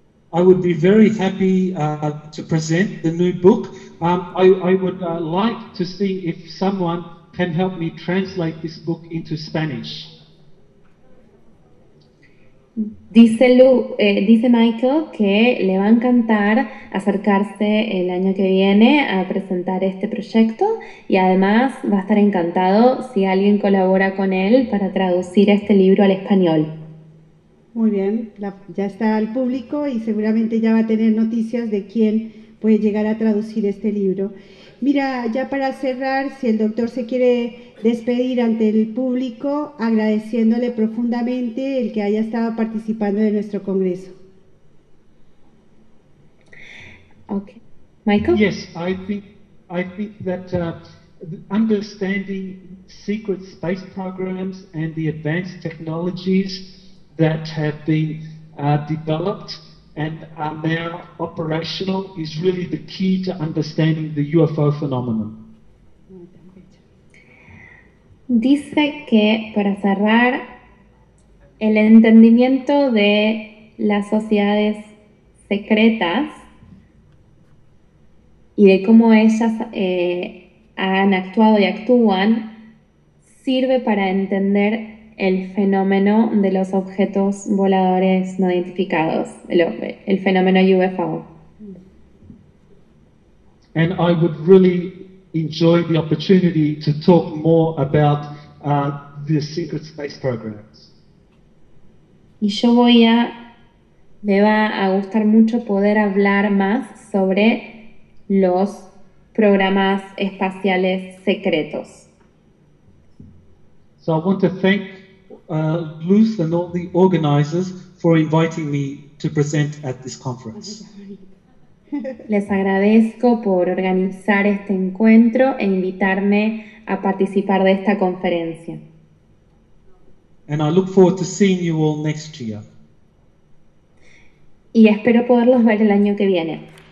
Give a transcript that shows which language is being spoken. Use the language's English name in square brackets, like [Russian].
[English] I would be very happy to present the new book. I would like to see if someone can help me translate this book into Spanish. [Spanish] Dice Michael que le va a encantar acercarse el año que viene a presentar este proyecto y además va a estar encantado si alguien colabora con él para traducir este libro al español. Muy bien, ya está al público y seguramente ya va a tener noticias de quién puede llegar a traducir este libro. Mira, ya para cerrar, si el doctor se quiere despedir ante el público, agradeciéndole profundamente el que haya estado participando de nuestro congreso. [English] Okay. Michael? Yes, I think that understanding secret space programs and the advanced technologies that have been developed and are now operational is really the key to understanding the UFO phenomenon. [Spanish] Dice que, para cerrar, el entendimiento de las sociedades secretas y de cómo ellas han actuado y actúan sirve para entender el fenómeno de los objetos voladores no identificados, el fenómeno UFO. [English] And I would really enjoy the opportunity to talk more about the secret space programs. [Spanish] Y yo voy a, me va a gustar mucho poder hablar más sobre los programas espaciales secretos. [English] So I want to thank Luz and all the organizers for inviting me to present at this conference. [Spanish] Les agradezco por organizar este encuentro e invitarme a participar de esta conferencia. [English] And I look forward to seeing you all next year. [Spanish] Y espero poderlos ver el año que viene.